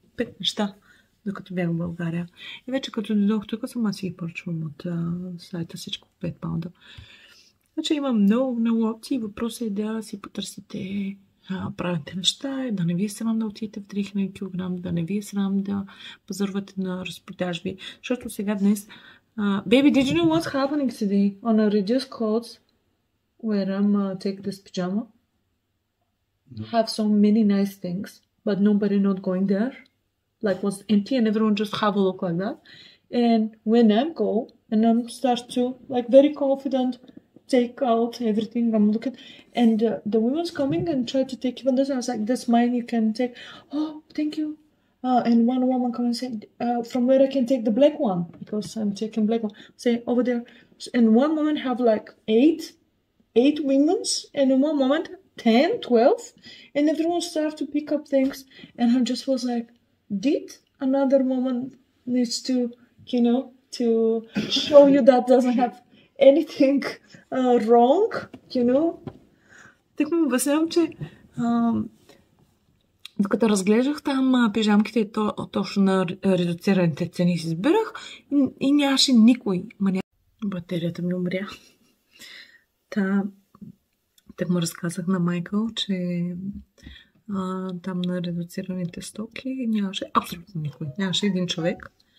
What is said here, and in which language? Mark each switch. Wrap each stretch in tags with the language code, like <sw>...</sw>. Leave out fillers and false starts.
<bg>5 неща, докато бях в България. И вече като дойдох тук, съм аз си ги поръчвам от сайта всичко 5 паунда. Значи имам много опции. Въпросът е да си потърсите правите неща, да не ви е срам да отидете в 3000 кг, да не ви е срам да пазарвате на разпродажби. Защото сега днес...</bg> <en>Baby, did you know what's happening today? On a reduced clothes where I'm taking this pyjama. No. Have so many nice things, but nobody not going there. Like was empty and everyone just have a look like that. And when I go and I'm start to like very confident take out everything I'm looking and the woman's coming and try to take even this. And I was like, this mine you can take. Oh, thank you. And one woman come and say, from where I can take the black one because I'm taking black one. Say over there. And one woman have like eight women's and in one moment 10, 12, and everyone start to pick up things, and I just was like, did another woman needs to, you know, to show you that doesn't have anything wrong, you know?</en> <bg>Тък му обяснявам, че докато разглеждах там пижамките, точно на редуцираните цени си избирах и нямаше никой. Батерията ми умря. Тък му разказах на Майкъл, че там на редуцираните стоки нямаше абсолютно никой. Нямаше един човек.</bg>